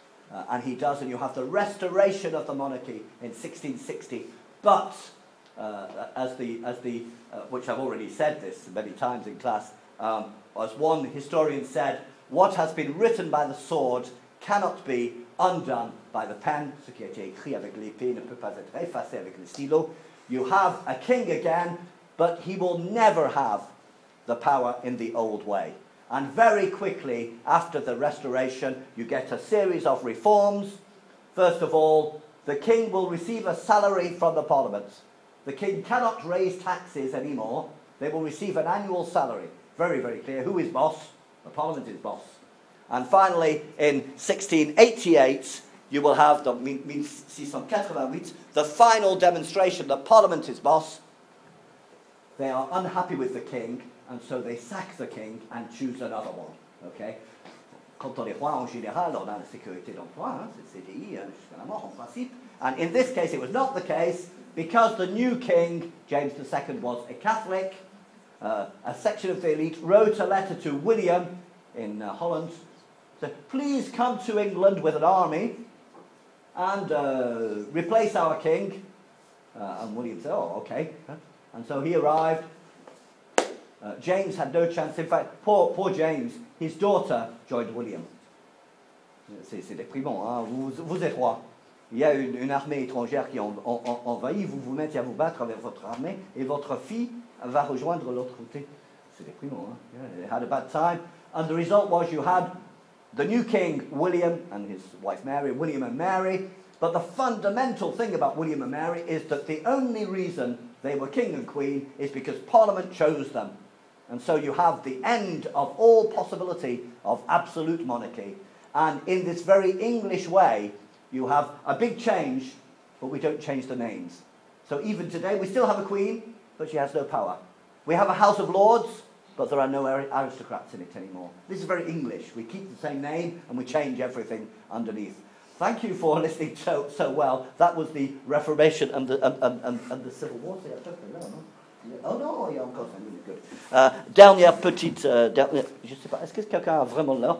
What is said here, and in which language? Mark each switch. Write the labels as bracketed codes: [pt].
[en] And he does, and you have the restoration of the monarchy in 1660. But, which I've already said this many times in class, as one historian said, what has been written by the sword cannot be undone by the pen. [fr] Ce qui a été écrit avec l'épée ne peut pas être effacé avec le stylo. [en] You have a king again, but he will never have the power in the old way. And very quickly, after the restoration, you get a series of reforms. First of all, the king will receive a salary from the parliament. The king cannot raise taxes anymore. They will receive an annual salary. Very, very clear. Who is boss? The parliament is boss. And finally, in 1688, you will have the final demonstration that parliament is boss. They are unhappy with the king, and so they sack the king and choose another one. Okay? [fr] Quand on est roi, en général, on a la sécurité d'emploi, c'est le CDI, jusqu'à la mort, en principe. [en] And in this case, it was not the case, because the new king, James II, was a Catholic. A section of the elite wrote a letter to William in Holland, said, please come to England with an army and replace our king. And William said, oh, okay. And so he arrived. James had no chance. In fact, poor James, his daughter joined William. [fr] C'est déprimant, hein? Vous êtes roi. Il y a une armée étrangère qui envahit, vous vous mettez à vous battre avec votre armée, et votre fille va rejoindre l'autre côté. C'est déprimant, hein? [en] Yeah, they had a bad time. And the result was you had the new king, William, and his wife Mary, William and Mary. But the fundamental thing about William and Mary is that the only reason they were king and queen is because Parliament chose them. And so you have the end of all possibility of absolute monarchy. And in this very English way, you have a big change, but we don't change the names. So even today, we still have a queen, but she has no power. We have a House of Lords, but there are no aristocrats in it anymore. This is very English. We keep the same name, and we change everything underneath. Thank you for listening so well. That was the Reformation and the Civil War. [fr] Dernière petite. Je ne sais pas, est-ce que quelqu'un a vraiment l'heure?